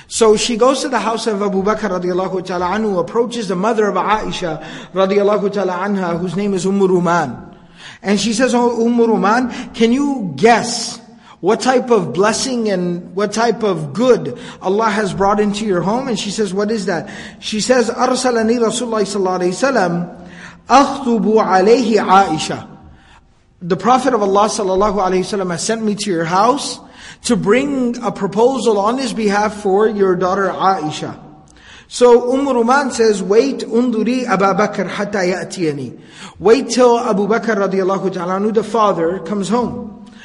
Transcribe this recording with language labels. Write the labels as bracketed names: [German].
[English] So she goes to the house of Abu Bakr radiallahu ta'ala anhu, approaches the mother of Aisha radiallahu ta'ala anha, whose name is Umm Ruman. And she says, "Oh, Umm Ruman, can you guess what type of blessing and what type of good Allah has brought into your home?" And she says, "What is that?" [Arabic] She says, "أَرْسَلَنِي رَسُولَّهِ صَلَّى اللَّهِ وَسَلَّمْ أَخْطُبُ عَلَيْهِ عَائِشَةَ." [English] The Prophet of Allah sallallahu alaihi wasallam has sent me to your house to bring a proposal on his behalf for your daughter Aisha. So Ruman says, "Wait, [Arabic] unduri Abu Bakr hatta ya'tiyani." [English] Wait till Abu Bakr radiallahu ta'ala anhu, the father, comes home.